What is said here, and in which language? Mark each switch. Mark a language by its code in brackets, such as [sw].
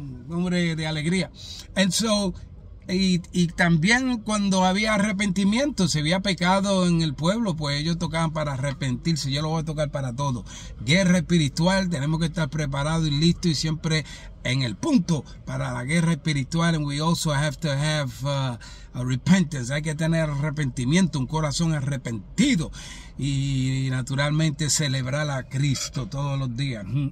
[es] Hombre de alegría. [en] And so, [es] y también cuando había arrepentimiento, se había pecado en el pueblo, pues ellos tocaban para arrepentirse. Yo lo voy a tocar para todo. Guerra espiritual, tenemos que estar preparados y listos y siempre en el punto para la guerra espiritual. [en] And we also have to have a repentance. [es] Hay que tener arrepentimiento, un corazón arrepentido. Y naturalmente celebrar a Cristo todos los días.